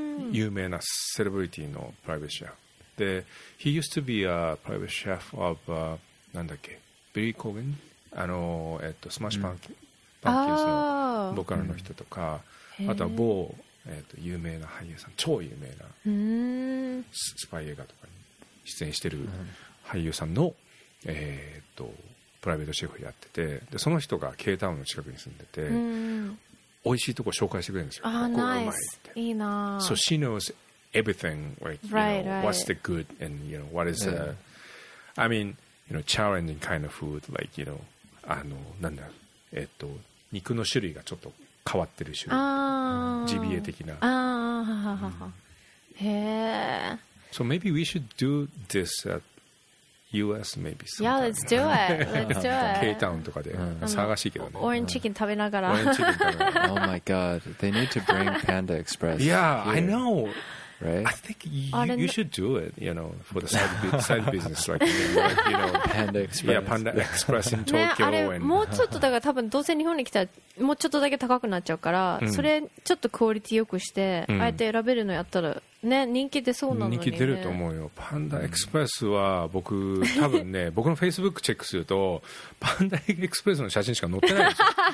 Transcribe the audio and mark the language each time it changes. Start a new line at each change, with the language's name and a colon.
Japanese: 有名なセレブリティのプライベートシェフで、
English: He used to be a private chef of
Japanese: なんだっけ、ビリー・コーゲン、あのスマッシュパンキーズのボーカルの人とか、あとは某有名な俳優さん、超有名なスパイ映画とかに出演してる俳優さんのプライベートシェフやってて、でその人が K タウンの近くに住んでて、美味しいとこ紹介してくれるんですよ。ここうまいって。いいな。
English: So she knows everything, like, right, you know, right. what's the good and you know, what is I mean, you know, challenging kind of food, like, you know,
Japanese: あのなんだ、肉の種類がちょっと変わってる種類、ジビエ的な。あ、へえ。
English: So maybe we should do this atUS maybe sometime. Yeah, let's do it. Let's do it.
Japanese: K-Town とかで騒がしいけどね。 Orange chicken 食べながら。
English: Oh my god. They need to bring Panda Express. Yeah, here. I know. Right? I think you should do it, you know, for the side business. Like, you know, Panda Express. Yeah, Panda Express in Tokyo.
Japanese: ね、あれ、もうちょっとだから多分どうせ日本に来たらもうちょっとだけ高くなっちゃうから、それちょっとクオリティ良くして、あえて選べるのやったら、ね、人気出そうなのに、ね、人気出ると思うよ。パンダエクスプレスは僕多分ね、僕のフェイスブックチェックするとパンダエクスプレスの写真しか載ってないんですよ。